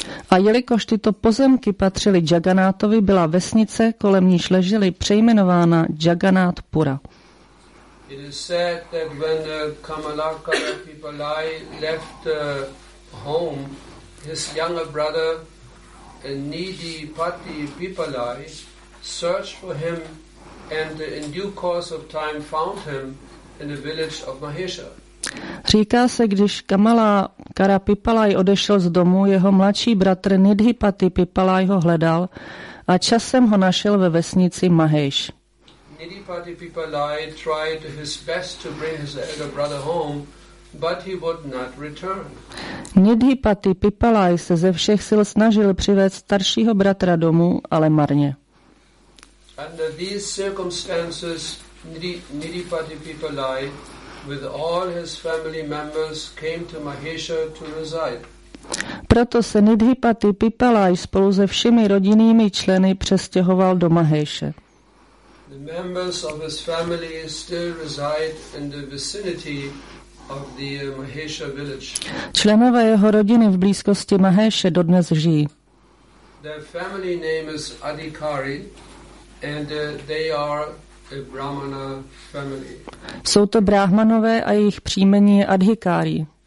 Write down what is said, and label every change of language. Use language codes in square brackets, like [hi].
[cs] A jelikož tyto pozemky patřily Jagannáthovi, byla vesnice, kolem níž leželi, přejmenována Jagannáthpura. [en] It is said that when the Kamalakara Pipalai left home, his younger brother, Nidhi Pati Pipalai, searched for him and in due course of time found him in the village of Mahesha. [cs] Říká se, když Kamalakara Pipalai odešel z domu, jeho mladší bratr Nidhipati Pipalai ho hledal a časem ho našel ve vesnici Mahesh. [en] Nidhipati Pipalai tried his best to bring his elder brother home, but he would not return. [cs] Nidhipati Pipalai se ze všech sil snažil přivést staršího bratra domů, ale marně. [en] Under these circumstances, Nidhipati Pipalai with all his family members came to Mahesha to reside. [cs] Proto se Nidhipati Pipalai spolu se všemi rodinnými členy přestěhoval do Maheshe. [en] The members of his family still reside in the vicinity of the Mahesha village. [cs] Členové jeho rodiny v blízkosti Maheshe dodnes žijí. [en] Their family name is Adhikari and they are a Brahmana family. [cs] Jsou to Brahmanové a jejich příjmení je Adhikári.